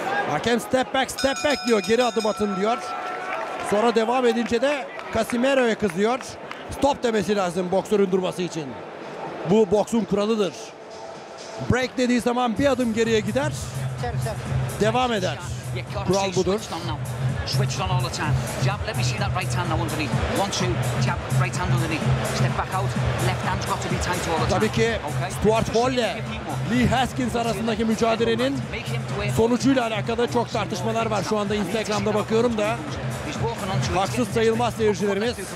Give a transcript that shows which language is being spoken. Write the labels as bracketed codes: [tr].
[tr] Hakem [en] step back, step back [tr] diyor. Geri adım atın diyor. Sonra devam edince de Casimiro'ya kızıyor. stop demesi lazım boksörün durması için. Bu boksun kuralıdır. Break dediği zaman bir adım geriye gider, devam eder. Kural budur. [en] Switched on all the time. Jab, let me see that right hand now underneath. One, two, jab, right hand underneath. Step back out, left hand's got to be tight all the time. [tr] Tabii ki Stuart Hall ile Lee Haskins arasındaki mücadelenin sonucuyla alakalı çok tartışmalar var. Şu anda Instagram'da bakıyorum da. Haksız sayılmaz seyircilerimiz.